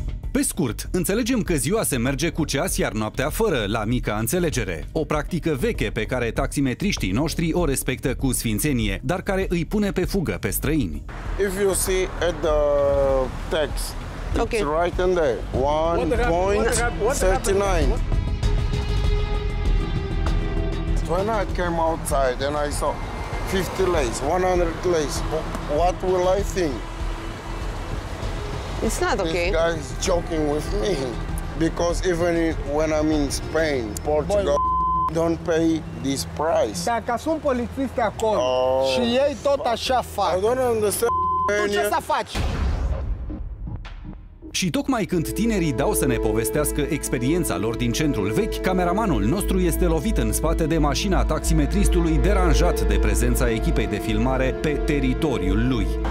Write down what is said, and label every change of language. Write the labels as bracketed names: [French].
[Romanian] Pe scurt, înțelegem că ziua se merge cu ceas, iar noaptea fără, la mica înțelegere. O practică veche pe care taximetriștii noștri o respectă cu sfințenie, dar care îi pune pe fugă pe străini. [English] If you see at the text, it's okay. Right in there. 1.39. When I came outside and I saw 50 lei, 100 lei, what will I think? It's not okay. This guy's joking with me. Because even when I'm in Spain, Portugal, don't pay this price. [Romanian] Dacă sunt polițiști acolo și ei tot așa fac. [English] I don't understand. [Romanian] Tu ce să faci? Și tocmai când tinerii dau să ne povestească experiența lor din centrul vechi, cameramanul nostru este lovit în spate de mașina taximetristului, deranjat de prezența echipei de filmare pe teritoriul lui.